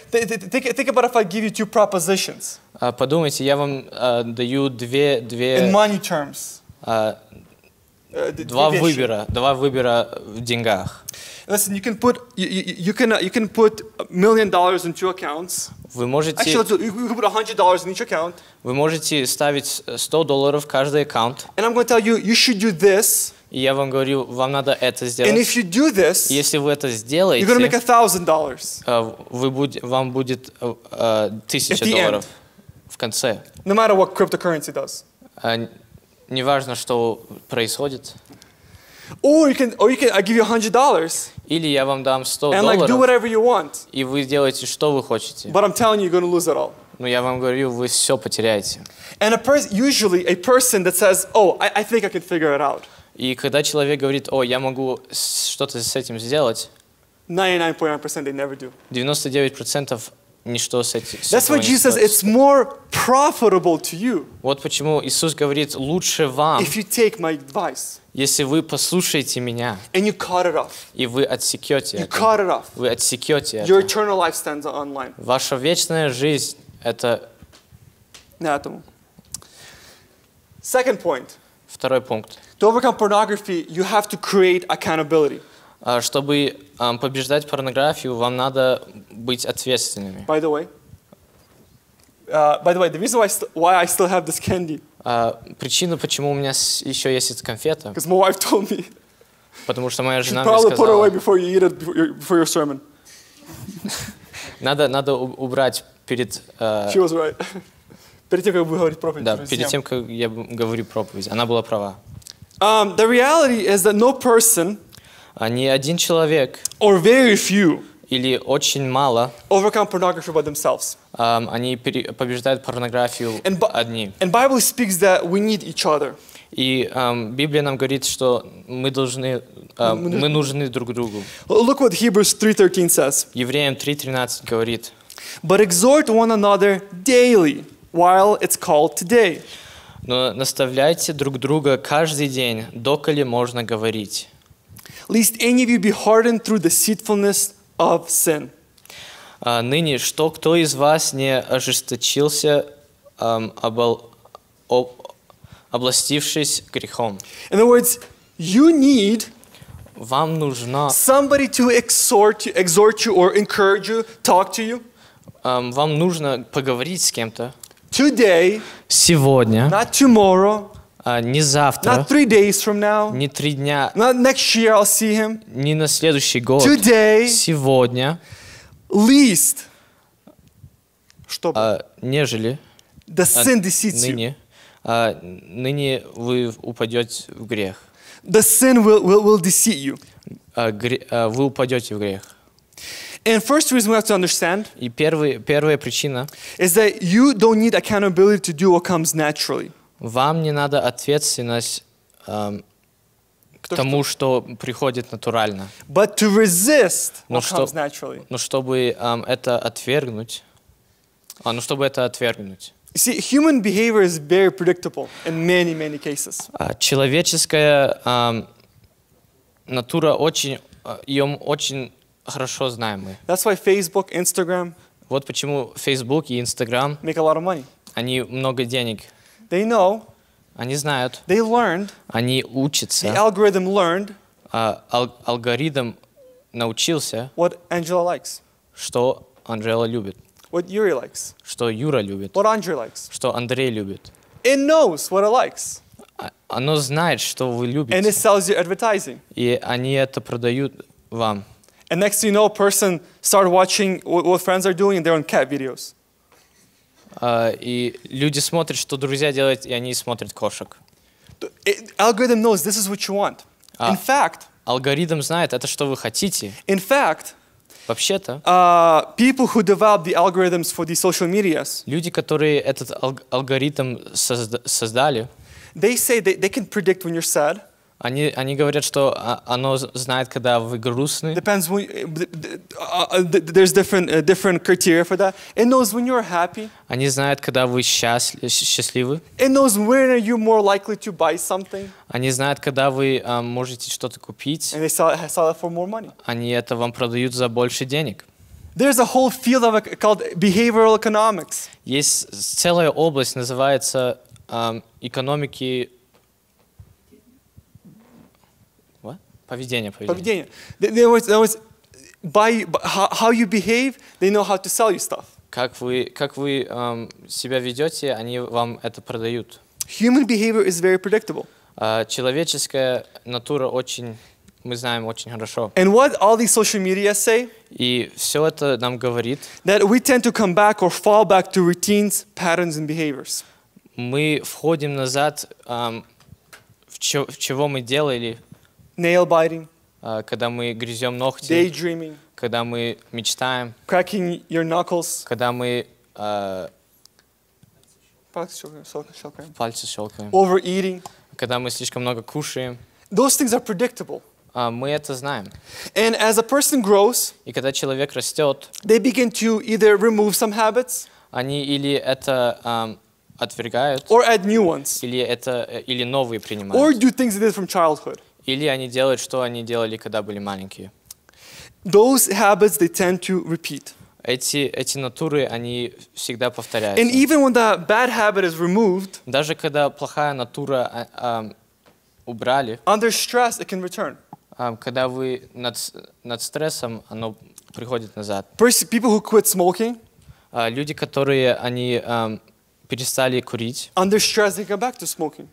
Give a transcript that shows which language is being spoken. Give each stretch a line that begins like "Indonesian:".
English: Think about if I give you two propositions.
Russian: Подумайте, я вам даю две.
English: In money terms.
Russian: Два выбора в деньгах.
English: Listen, you can put you can put $1 million in two accounts.
Russian: Вы можете.
English: Actually, you can put $100 in each account.
Russian: Вы можете ставить $100 в каждый аккаунт.
English: And I'm going to tell you, you should do this.
Russian: И я вам говорю, вам надо это сделать.
English: And if you do this,
Russian: если вы это сделаете,
English: you're gonna make $1,000.
Russian: Вам будет $1,000 в конце.
English: No matter what cryptocurrency does.
Russian: Не важно, что происходит.
English: Or you can I give you $100.
Russian: Или я вам дам $100.
English: And like do whatever you want.
Russian: И вы делаете, что вы хотите.
English: But I'm telling you, you're gonna lose it all.
Russian: Но я вам говорю, вы все потеряете.
English: And usually a person that says, oh, I think I can figure it out.
Russian: И когда человек говорит, о, я могу что-то с этим сделать,
English: 99.9% they never do.
Russian: 99% ничто с этим.
English: That's why Jesus says it's more profitable to you.
Russian: Вот почему Иисус говорит лучше вам.
English: If you take my advice.
Russian: Если вы послушаете меня.
English: And you cut it off.
Russian: И вы отсекете это.
English: You cut it off.
Russian: Вы отсекете это.
English: Your eternal life stands on line.
Russian: Ваша вечная жизнь это. На этом.
English: Second point.
Russian: Второй пункт.
English: To overcome pornography, you have to create accountability.
Russian: Чтобы побеждать порнографию, вам надо быть ответственными.
English: By the way, the reason why I still have this candy.
Russian: Причина, почему у меня еще есть эта конфета.
English: Because my wife told me.
Russian: Потому что моя жена мне сказала.
English: She probably put it away before you eat it before your sermon.
Russian: Надо убрать перед.
English: She was right.
Russian: Перед тем, как я буду говорить проповедь. Да, перед тем, как я говорю проповедь. Она была права.
English: The reality is that no person.
Russian: Ни один человек.
English: Or very few.
Russian: Или очень мало.
English: Overcome pornography by themselves.
Russian: Они побеждают порнографию одни.
English: And Bible speaks that we need each other.
Russian: И Библия нам говорит, что мы должны, мы нужны друг другу.
English: Look what Hebrews 3:13 says.
Russian: Евреям 3:13 говорит.
English: But exhort one another daily. While it's called today.
Russian: Но наставляйте друг друга каждый день, доколе можно говорить.
English: Lest any of you be hardened through deceitfulness of sin.
Russian: Ныне, что кто из вас не ожесточился, областившись грехом.
English: In other words, you need
Russian: вам нужно
English: somebody to exhort you or encourage you, talk to you.
Russian: Вам нужно поговорить с кем-то.
English: Today,
Russian: сегодня,
English: not tomorrow,
Russian: не завтра,
English: not 3 days from now,
Russian: не 3 дня,
English: not next year I'll see him,
Russian: не на следующий год,
English: today,
Russian: сегодня,
English: least,
Russian: чтобы, нежели,
English: the sin deceits
Russian: ныне,
English: you.
Russian: Ныне вы упадете в грех.
English: The sin will deceive you.
Russian: Вы упадете в грех.
English: And first reason we have to understand
Russian: первая причина,
English: is that you don't need accountability to do what comes naturally.
Russian: Вам не надо ответственность к тому, что приходит натурально.
English: But to resist what comes naturally.
Russian: Но чтобы это отвергнуть. А, ну чтобы это отвергнуть.
English: You see, human behavior is very predictable in many, many cases.
Russian: Человеческая натура очень, ее очень хорошо знаем мы.
English: That's why Facebook, Instagram.
Russian: Вот почему Facebook и Instagram.
English: Make a lot of money.
Russian: Они много денег.
English: They know.
Russian: Они знают.
English: They learned.
Russian: Они учатся.
English: The algorithm learned.
Russian: Алгоритм научился.
English: What Angela likes.
Russian: Что Анжела любит.
English: What Yuri likes.
Russian: Что Юра любит.
English: What Andrei likes.
Russian: Что Андрей любит.
English: It knows what it likes.
Russian: Оно знает, что вы любите.
English: And it sells you advertising.
Russian: И они это продают вам.
English: And next thing you know, a person started watching what friends are doing, and they're on cat videos.
Russian: И люди смотрят, что друзья делают, и они смотрят кошек.
English: Algorithm knows this is what you want. In fact,
Russian: алгоритм знает, это что вы хотите.
English: In fact,
Russian: вообще-то,
English: people who develop the algorithms for the social medias,
Russian: люди, которые этот алгоритм создали,
English: they say they can predict when you're sad.
Russian: Они говорят, что оно знает, когда вы грустны.
English: Depends when there's different criteria for that. It knows when you're happy.
Russian: Они знают, когда вы счастливы.
English: It knows when are you more likely to buy something.
Russian: Они знают, когда вы можете что-то купить.
English: And they sell it for more money.
Russian: Они это вам продают за больше денег.
English: There's a whole field of called behavioral economics.
Russian: Есть целая область, называется экономики. Поведение.
English: There was by how you behave, they know how to sell you stuff.
Russian: Как вы себя ведете, они вам это продают.
English: Human behavior is very predictable.
Russian: Человеческая натура очень, мы знаем очень хорошо.
English: And what all these social media say?
Russian: И все это нам говорит.
English: That we tend to come back or fall back to routines, patterns and behaviors.
Russian: Мы входим назад в чего мы делали.
English: Nail biting.
Russian: Когда мы грызем ногти.
English: Daydreaming.
Russian: Когда мы мечтаем.
English: Cracking your knuckles.
Russian: Когда мы пальцы щелкаем. Щелкаем.
English: Overeating.
Russian: Когда мы слишком много кушаем.
English: Those things are predictable.
Russian: Мы это знаем.
English: And as a person grows,
Russian: и когда человек растет,
English: they begin to either remove some habits,
Russian: они или это отвергают,
English: or add new ones,
Russian: или это или новые принимают,
English: or do things they did from childhood,
Russian: или они делают, что они делали, когда были маленькие.
English: Those habits they tend to repeat.
Russian: Эти натуры, они всегда повторяются.
English: And even when the bad habit is removed,
Russian: даже когда плохая натура убрали,
English: under stress it can return.
Russian: Когда вы над стрессом, оно приходит назад.
English: People who quit smoking,
Russian: люди, которые они перестали курить,
English: under stress they come back to smoking.